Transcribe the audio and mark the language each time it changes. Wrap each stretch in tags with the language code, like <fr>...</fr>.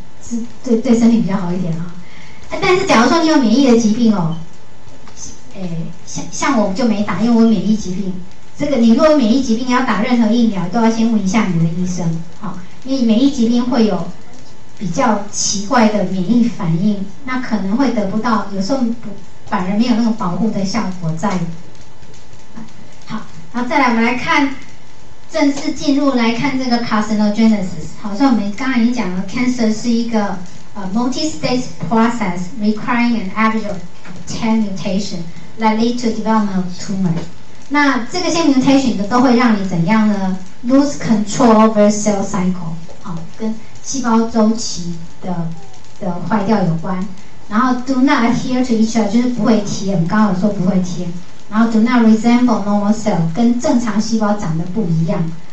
<zh>是对身体比较好一点啊、哦，但是假如说你有免疫的疾病哦，像我就没打，因为我免疫疾病。这个你如果免疫疾病要打任何疫苗，都要先问一下你的医生，好、哦，因为免疫疾病会有比较奇怪的免疫反应，那可能会得不到，有时候反而没有那种保护的效果在。好，然后再来我们来看。正式进入来看这个</zh> <en>carcinogenesis，</en> <zh>好像我们刚才已经讲了</zh> <en>，cancer 是一个multi-stage process requiring an average of 10 mutation that lead to development of tumor。</en> <zh>那这个些 mutation 的都会让你怎样呢 ？</zh> <en>lose control over cell cycle，</en> <zh>好，跟细胞周期的坏掉有关。然后</zh> <en>do not adhere to each other，</en> <zh>就是不会贴，我们刚刚有说不会贴。然后</zh> <en>do not resemble normal cell，</en> <zh>跟正常细胞长得不一样。</zh>